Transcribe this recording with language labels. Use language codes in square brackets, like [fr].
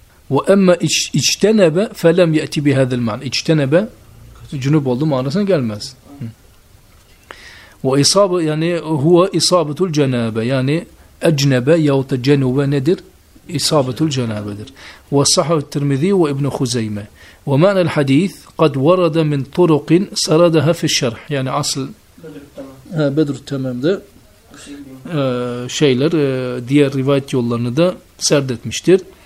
[ar] وَأَمَّا اِجْتَنَبَ فَلَمْ يَأْتِ بِهَذَا الْمَعْنِ [tr] İçtenebe, cünüp oldu manasına gelmez. [ar] وَإِصَابَ [tr] yani [ar] هُوَ اِصَابَةُ الْجَنَابَ [tr] yani [ar] اَجْنَبَ [tr] yahut da cenube nedir? İsabetul cenabedir. [ar] وَصَحَهُ الْتِرْمِذ۪ي وَإِبْنُ خُزَيْمَ وَمَعْنَ الْحَد۪يثِ قَدْ وَرَدَ مِنْ طُرُقٍ سَرَدَهَا فِي الشَّرْحِ [tr] yani asıl Bedr-ül Temem'de şeyler, diğer rivayet yollarını da serdetmiştir.